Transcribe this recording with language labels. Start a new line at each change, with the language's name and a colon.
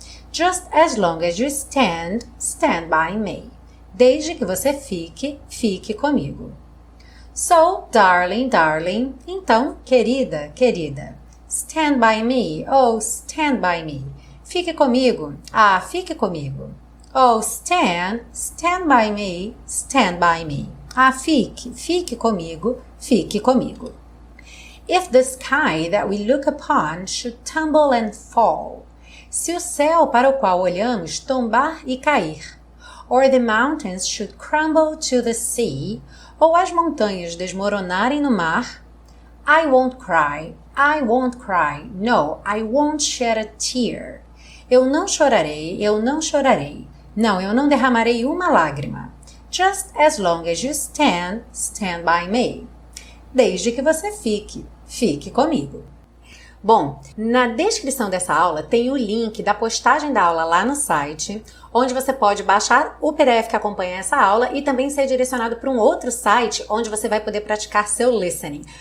English: Just as long as you stand, stand by me.
Portuguese: Desde que você fique, fique comigo.
English: So, darling, darling.
Portuguese: Então, querida, querida.
English: Stand by me. Oh, stand by me.
Portuguese: Fique comigo. Ah, fique comigo.
English: Oh, stand, stand by me, stand by me.
Portuguese: Ah, fique, fique comigo, fique comigo.
English: If the sky that we look upon should tumble and fall,
Portuguese: se o céu para o qual olhamos tombar e cair,
English: or the mountains should crumble to the sea,
Portuguese: ou as montanhas desmoronarem no mar,
English: I won't cry, no, I won't shed a tear.
Portuguese: Eu não chorarei, eu não chorarei. Não, eu não derramarei uma lágrima.
English: Just as long as you stand, stand by me.
Portuguese: Desde que você fique, fique comigo. Bom, na descrição dessa aula tem o link da postagem da aula lá no site, onde você pode baixar o PDF que acompanha essa aula e também ser direcionado para um outro site onde você vai poder praticar seu listening.